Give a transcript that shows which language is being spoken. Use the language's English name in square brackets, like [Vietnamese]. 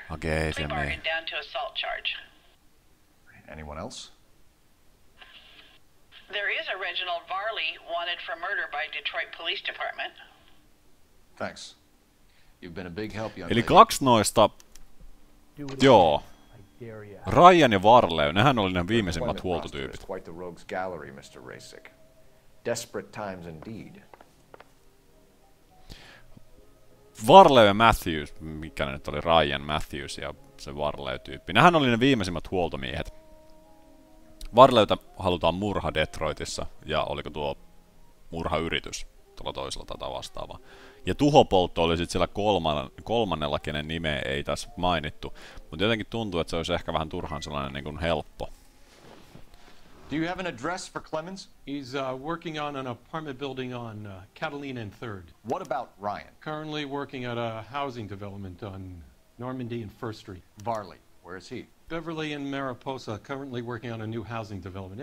[English] Okay, plea bargained down to assault charge. Anyone else? There is a Reginald Varley wanted for murder by Detroit Police Department. Thanks. You've been a big help, young lady. [Finnish] Eli kaksi noista... Joo. Ryan ja Varley, nehän oli ne viimeisimmät huoltotyypit. [English] Quite the rogues gallery, Mr. Rasik. Desperate times indeed. [Finnish] Varley ja Matthews, mikä ne nyt oli, Ryan Matthews ja se Varley-tyyppi. Nähän oli ne viimeisimmät huoltomiehet. Varleyta halutaan murha Detroitissa, ja oliko tuo murhayritys tuolla toisella tätä vastaava. Ja tuhopoltto oli sitten siellä kolmannella, kenen nimeä ei tässä mainittu. Mutta jotenkin tuntuu, että se olisi ehkä vähän turhan sellainen niin kuin helppo. [English] Do you have an address for Clemens? He's working on an apartment building on Catalina and 3rd. What about Ryan? Currently working at a housing development on Normandy and 1st Street. Varley, where is he? Beverly and Mariposa, currently working on a new housing development.